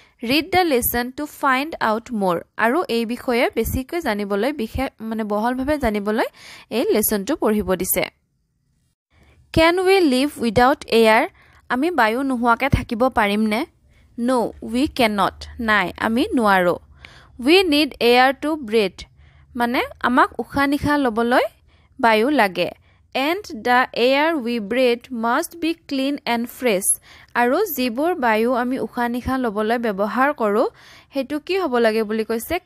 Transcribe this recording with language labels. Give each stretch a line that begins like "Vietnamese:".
English: read the lesson to find out more,
Assamese: আৰু এই বিষয়ে বেছিকৈ জানিবলৈ বিশেষ মানে বহলভাৱে জানিবলৈ এই লেচনটো পঢ়িব দিছে।
English: can we live without air,
Assamese: আমি বায়ু নোহোৱাকৈ থাকিব পাৰিমনে?
English: no we can not,
Assamese: নাই আমি নোৱাৰোঁ।
English: we need air to breathe,
Assamese: মানে আমাক উশাহ নিশাহ ল'বলৈ বায়ু লাগে।
English: And the air we breathe must be clean and fresh.
Assamese: আৰু যিবোৰ বায়ু আমি উশাহ নিশাহ ল'বলৈ ব্যৱহাৰ কৰোঁ সেইটো কি হ'ব লাগে বুলি কৈছে?